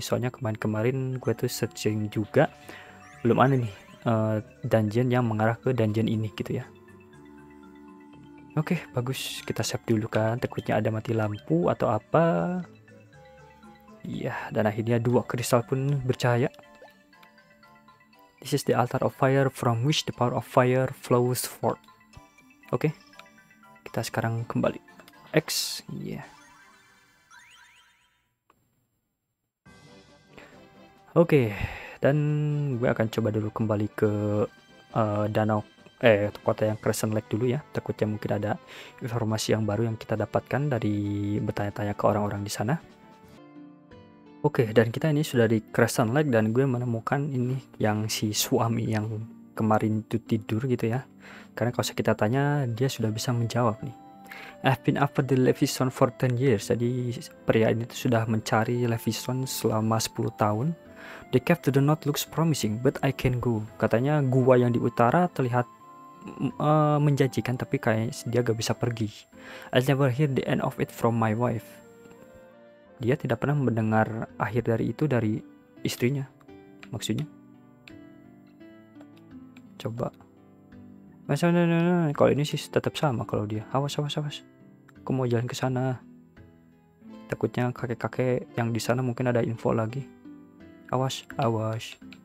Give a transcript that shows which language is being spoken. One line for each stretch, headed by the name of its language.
Indonesian: Soalnya kemarin-kemarin gue tuh searching juga belum ada nih dungeon yang mengarah ke dungeon ini gitu ya. Oke, bagus. Kita save dulu kan. Takutnya ada mati lampu atau apa. Iya, dan akhirnya dua kristal pun bercahaya.
English: This is the altar of fire from which the power of fire flows forth.
Indonesian: Oke. Kita sekarang kembali. X, iya. Yeah. Oke, dan gue akan coba dulu kembali ke danau kota yang Crescent Lake dulu ya. Takutnya mungkin ada informasi yang baru yang kita dapatkan dari bertanya-tanya ke orang-orang di sana. Oke, dan kita ini sudah di Crescent Lake dan gue menemukan ini yang si suami yang kemarin itu tidur gitu ya. Karena kalau kita tanya, dia sudah bisa menjawab nih.
English: I've been after the Levison for 10 years.
Indonesian: Jadi pria ini tuh sudah mencari Levison selama 10 tahun.
English: The cave to the north looks promising, but I can't go.
Indonesian: Katanya gua yang di utara terlihat menjanjikan, tapi kayak dia gak bisa pergi.
English: I'll never hear the end of it from my wife.
Indonesian: Dia tidak pernah mendengar akhir dari itu dari istrinya. Maksudnya. Coba. Kalau ini sih tetap sama kalau dia. Awas, awas, awas. Aku mau jalan ke sana. Takutnya kakek-kakek yang di sana mungkin ada info lagi. Awas, awas.